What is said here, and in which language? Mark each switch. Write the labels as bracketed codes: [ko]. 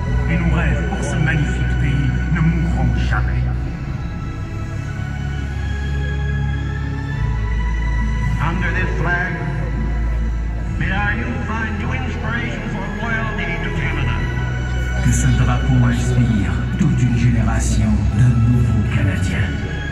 [fr] Et nos rêves pour ce magnifique pays ne mourront jamais. [en] Under this flag, may I you find new inspiration for loyalty to Canada. [fr] Que ce drapeau inspire toute une génération de nouveaux Canadiens.